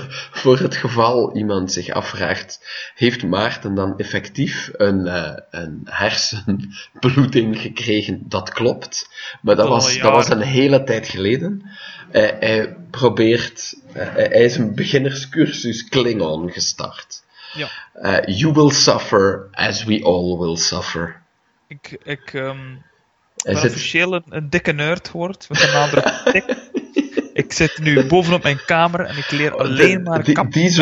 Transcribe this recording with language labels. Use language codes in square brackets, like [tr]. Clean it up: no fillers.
[nl] Voor het geval iemand zich afvraagt, heeft Maarten dan effectief een hersenbloeding gekregen? Dat klopt. Maar dat was een hele tijd geleden. Hij is een beginnerscursus Klingon gestart. Ja. [en] You will suffer as we all will suffer. [nl] Ik ben officieel een dikke nerd geword. Met een andere tik. Ik zit nu bovenop mijn kamer en ik leer alleen maar Klingon.